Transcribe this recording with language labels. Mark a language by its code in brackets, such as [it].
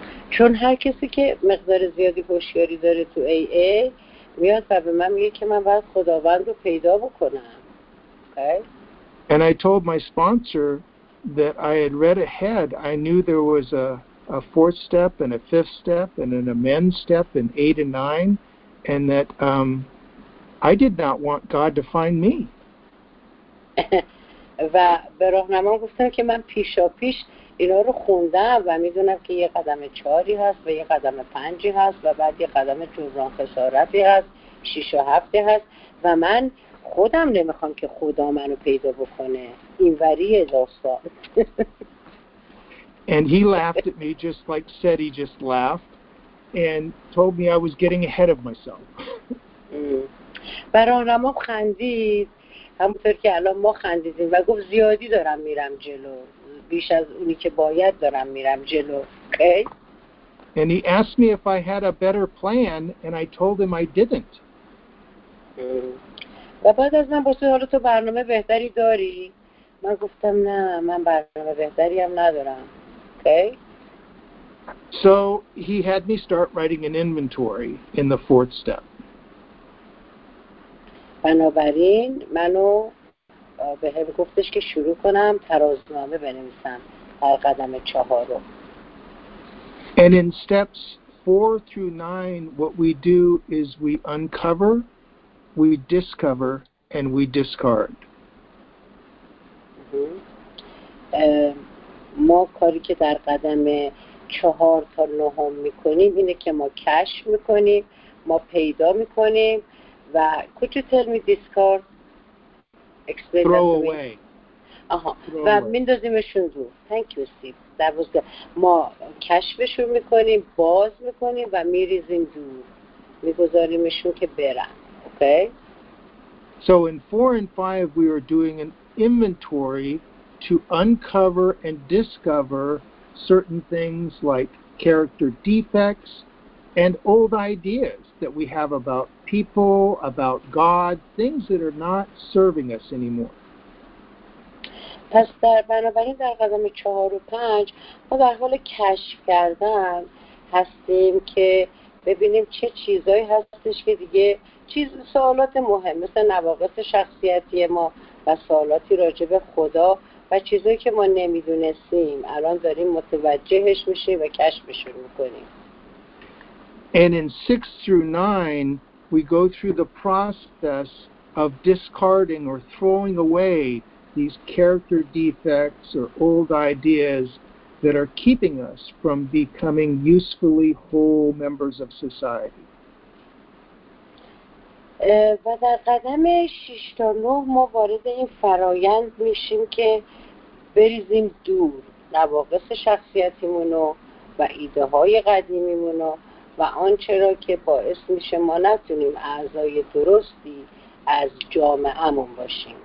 [fa] چون هر کسی که مقدار زیادی هوشیاری داره تو AA میاد و به من میگه که من باید خداوند رو پیدا بکنم. [en] Okay? And I told my sponsor that I had read ahead. I knew there was a fourth step and a fifth step and an amend step in 8 and 9 and that I did not want God to find me. [fa] و به راهنما گفتم که من پیشا پیش اینا رو خوندم و میدونم که یه قدم چاری هست و یه قدم پنجی هست و بعد یه قدم جبران خسارتی هست، 6 و 7 هست و من خودم نمیخوام که خدا منو پیدا بکنه. اینوری داستان. [en] And he laughed at me just like Seti just laughed and told me I was getting ahead of myself. [fa] برانم خندید همونطور که الان ما خندیدیم و گفت زیادی دارم میرم جلو، بیش از اونی که باید دارم میرم جلو. [en] Okay? And he asked me if I had a better plan and I told him I didn't. [fa] و بعد از من پرسید حالا تو برنامه بهتری داری؟ من گفتم نه، من برنامه بهتری هم ندارم. [en] Okay. So he had me start writing an inventory in the fourth step. [fa] بنابراین منو به هم گفتش که شروع کنم ترازنامه بنویسم در قدم چهارم. [en] And in steps 4 through 9, what we do is we uncover, we discover, and we discard. [fa] ما کاری که در قدم 4 تا 9 میکنیم اینه که ما کشف میکنیم، ما پیدا میکنیم و [en] could you tell me discard? Explain throw that away. [fa] آها. و میندازیمشون رو. [en] Thank you, Steve. That was good. [fa] ما کشفشون میکنیم، باز میکنیم و میریزیم دور. میگذاریمشون که برن. Okay? [en] So in 4 and 5 we are doing an inventory to uncover and discover certain things like character defects and old ideas that we have about people, about God, things that are not serving us anymore. [fa] پس در بنابراین در قدم 4 و 5 ما در حال کشف کردن هستیم که ببینیم چه چیزایی هستش که دیگه چیز سوالات مهم مثل نواقص شخصیتی ما و سوالاتی راجع به خدا و چیزایی که ما نمیدونستیم الان داریم متوجهش میشیم و کشفشون میکنیم. [en] And in 6 through 9 we go through the process of discarding or throwing away these character defects or old ideas that are keeping us from becoming usefully whole members of society. [fa] و در قدم 6 تا 9 ما وارد این فرایند میشیم که بریزیم دور نواقص شخصیتیمونو و ایده های قدیمیمونو و آنچه را که باعث میشه ما نتونیم اعضای درستی از جامعهمون باشیم.